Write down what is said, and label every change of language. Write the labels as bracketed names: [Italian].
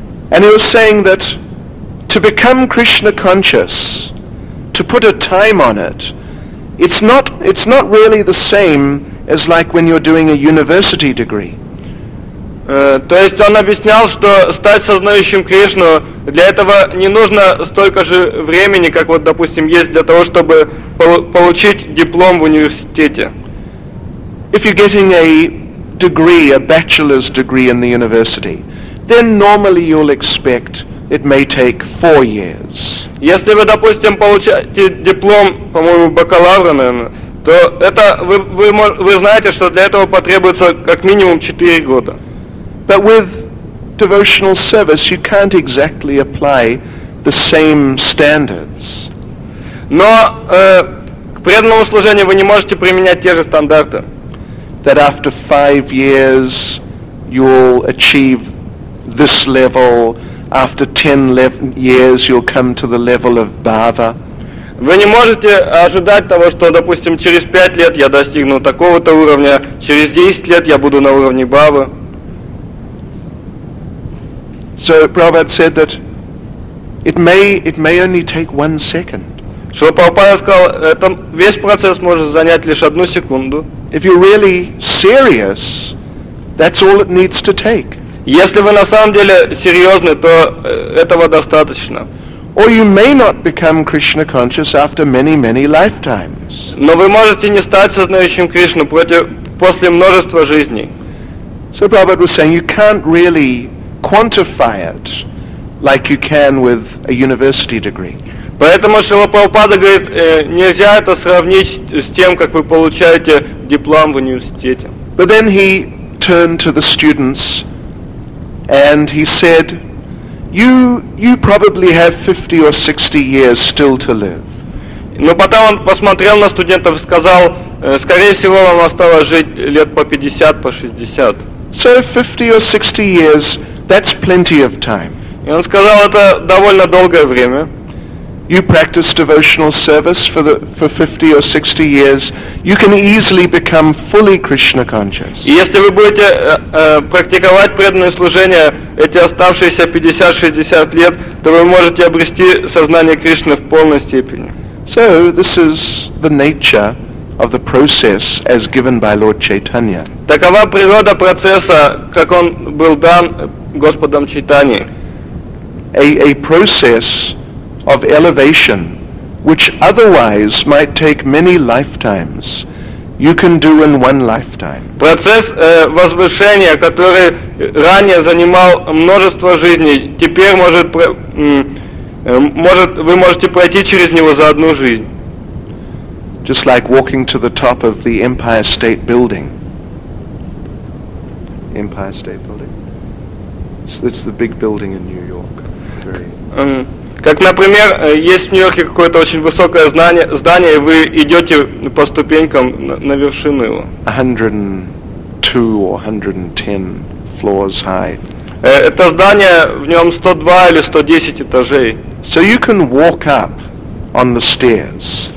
[English] And he was saying that to become Krishna conscious, to put a time on it, it's not really the same as like when you're doing a university degree. [Russian] То есть он объяснял, что стать сознающим Кришну, для этого не нужно столько же времени, как вот, допустим, есть для того, чтобы получить диплом в университете. [English] If you're getting a degree, a bachelor's degree in the university, then normally you'll expect it may take 4 years. [Russian] Если вы, допустим, получаете диплом, по-моему, бакалавра, наверное, то это вы знаете, что для этого потребуется как минимум 4 года. [English] But with devotional service, you can't exactly apply the same standards. [Russian] Но к преданному служению вы не можете применять те же стандарты. [English] That after 5 years you'll achieve this level, after 10 years you'll come to the level of bhava. [Russian] Вы не можете ожидать того, что, допустим, через 5 лет я достигну такого-то уровня, через 10 лет я буду на уровне бхавы. [English] So Prabhupada said that it may only take 1 second. [Russian] Шрила Прабхупада сказал, это весь процесс может занять лишь 1 секунду. [English] If you're really serious, that's all it needs to take. [Russian] Если вы на самом деле серьезны, то этого достаточно. [English] Or you may not become Krishna conscious after many, many lifetimes. [Russian] Но вы можете не стать сознающим Кришну после множества жизней. [English] So Prabhupada was saying, you can't really quantify it like you can with a university degree. [Russian] Поэтому Шрила Прабхупада говорит, нельзя это сравнить с тем, как вы получаете диплом в университете. [English] But then he turned to the students and he said, you probably have 50 or 60 years still to live. [Russian] Но потом он посмотрел на студентов и сказал, скорее всего, вам осталось жить лет по 50, по 60. [English] So 50 or 60 years, that's plenty of time. [Russian] И он сказал, это довольно долгое время. [English] You practice devotional service for 50 or 60 years, you can easily become fully Krishna conscious. [Russian] Если вы будете практиковать преданное служение эти оставшиеся 50-60 лет, то вы можете обрести сознание Кришны в полной степени. [English] So this is the nature of the process as given by Lord Chaitanya. [Russian] Такова природа процесса, как он был дан Господом Чайтани. [English] A process of elevation, which otherwise might take many lifetimes, you can do in one lifetime. [Russian] Процесс возвышения, который ранее занимал множество жизней, теперь вы можете пройти через него за одну жизнь. [English] Just like walking to the top of the Empire State Building. Empire State Building. It's the big building in New York. [Russian] Как, например, есть в Нью-Йорке какое-то очень высокое здание, и вы идете по ступенькам на вершину его. [English] 102 or 110 floors high. [Russian] Это здание, в нем 102 или 110 этажей. [English] So you can walk up on the stairs.